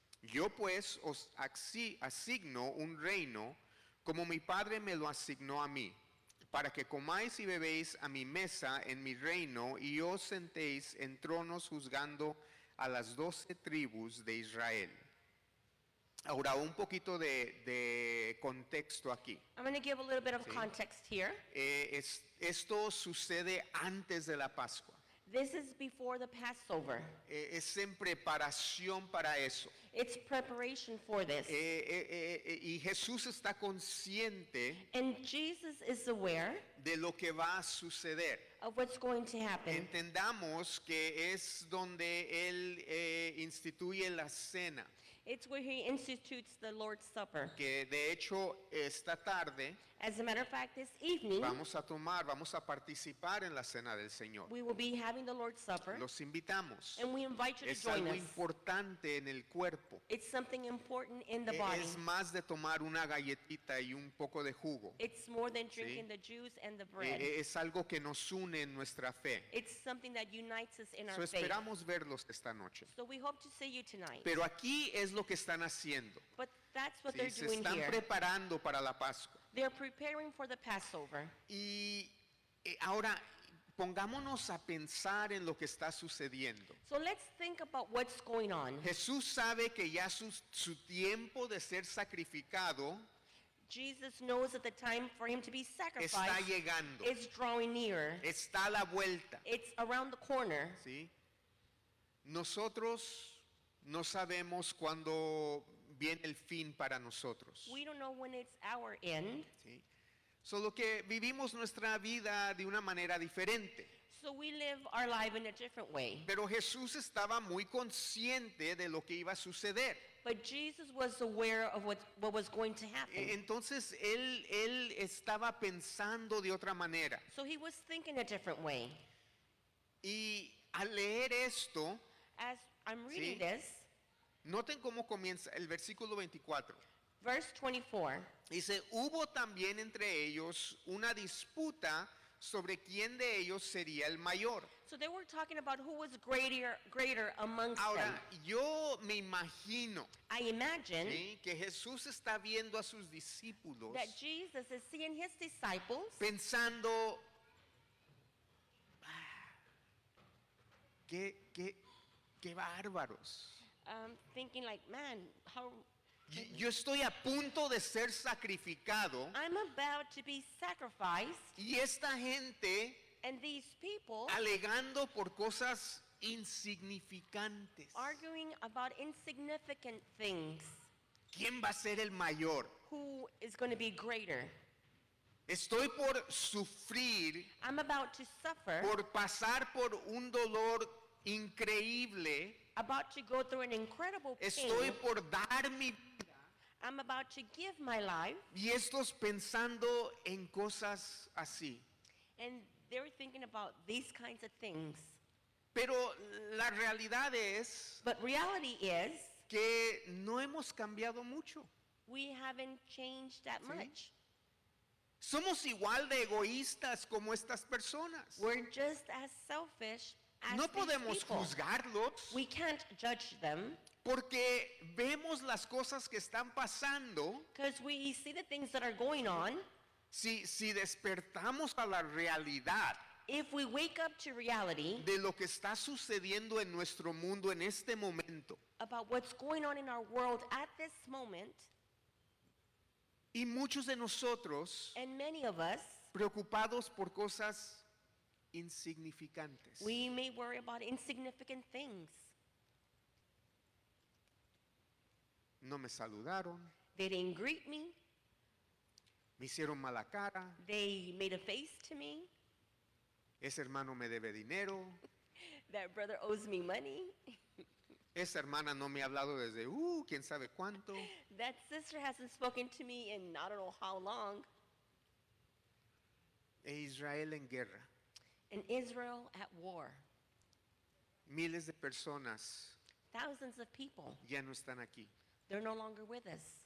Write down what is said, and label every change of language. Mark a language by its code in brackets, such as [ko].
[es] Yo pues os asigno un reino como mi padre me lo asignó a mí, para que comáis y bebéis a mi mesa en mi reino y os sentéis en tronos juzgando a las 12 tribus de Israel. Ahora un poquito de contexto aquí. [en] I'm going to give a little bit of context here. [es] Esto sucede antes de la Pascua. [en] This is before the Passover. [es] Es en preparación para eso. [en] It's preparation for this. [es] Y Jesús está consciente. [en] And Jesus is aware. [es] De lo que va a suceder. [en] Of what's going to happen. [es] Entendamos que es donde él instituye la cena. [en] It's where he institutes the Lord's Supper. [es] Que de hecho esta tarde, [en] as a matter of fact, this evening, [es] vamos a participar en la cena del Señor. [en] We will be having the Lord's Supper. [es] Los invitamos. [en] And we invite you [es] es [en] to join us. [es] Es algo importante en el cuerpo. [en] It's something important in the body. [es] Es más de tomar una galletita y un poco de jugo. [en] It's more than drinking the juice and the bread. [es] Es algo que nos une en nuestra fe. [en] It's something that unites us in our faith. [es] Esperamos verlos esta noche. [en] So we hope to see you tonight. [es] Pero aquí es lo que están haciendo. [en] But that's what they're doing here. [es] Se están preparando para la Pascua. [en] They're preparing for the Passover. [es] Y ahora pongámonos a pensar en lo que está sucediendo. [en] So let's think about what's going on. [es] Jesús sabe que ya su tiempo de ser sacrificado, [en] Jesus knows that the time for him to be sacrificed, [es] está llegando. [en] Is drawing near. [es] Está a la vuelta. [en] It's around the corner. [es] ¿Sí? Nosotros no sabemos cuándo viene el fin para nosotros. [en] We don't know when it's our end. [es] Sí. Solo que vivimos nuestra vida de una manera diferente. [en] So we live our life in a different way. [es] Pero Jesús estaba muy consciente de lo que iba a suceder. [en] But Jesus was aware of what was going to happen. [es] Entonces él estaba pensando de otra manera. [en] So he was thinking a different way. [es] Y al leer esto, [en] as I'm reading this, [es] noten cómo comienza el versículo 24. [en] Verse 24. [es] Dice, hubo también entre ellos una disputa sobre quién de ellos sería el mayor. [en] So they were talking about who was greater amongst them. [es] Ahora, yo me imagino. [en] I imagine. [es] ¿Sí? Que Jesús está viendo a sus discípulos. [en] That Jesus is seeing his disciples. [es] Pensando, qué bárbaros. [en] Thinking like, man, how. [es] Yo estoy a punto de ser sacrificado. [en] I'm about to be sacrificed. [es] Y esta gente, [en] and these people, [es] alegando por cosas insignificantes. [en] Arguing about insignificant things. [es] ¿Quién va a ser el mayor? [en] Who is going to be greater? [es] Estoy por sufrir. [en] I'm about to suffer. [es] Por pasar por un dolor increíble. [en] About to go through an incredible pain. [es] Estoy por dar mi vida. [en] I'm about to give my life. [es] Y estos pensando en cosas así. [en] And they're thinking about these kinds of things. [es] Pero la realidad es, [en] but reality is, [es] que no hemos cambiado mucho. [en] We haven't changed that much. [es] Somos igual de egoístas como estas personas. [en] We're just as selfish as these people. [es] No podemos juzgarlos. [en] We can't judge them. [es] Porque vemos las cosas que están pasando. [en] Because we see the things that are going on. [es] Si despertamos a la realidad. [en] If we wake up to reality, [es] de lo que está sucediendo en nuestro mundo en este momento, [en] about what's going on in our world at this moment, [es] y muchos de nosotros, [en] and many of us, [es] preocupados por cosas insignificantes, [en] we may worry about insignificant things. [es] No me saludaron. [en] They didn't greet me. [es] Me hicieron mala cara. [en] They made a face to me. [es] Ese hermano me debe dinero. [en] That brother owes me money. [es] Esa hermana no me ha hablado desde quién sabe cuánto. [en] That sister hasn't spoken to me in I don't know how long. [es] E Israel en guerra. [en] And Israel at war. [es] Miles de personas. [en] Thousands of people. [es] Ya no están aquí. [en] They're no longer with us.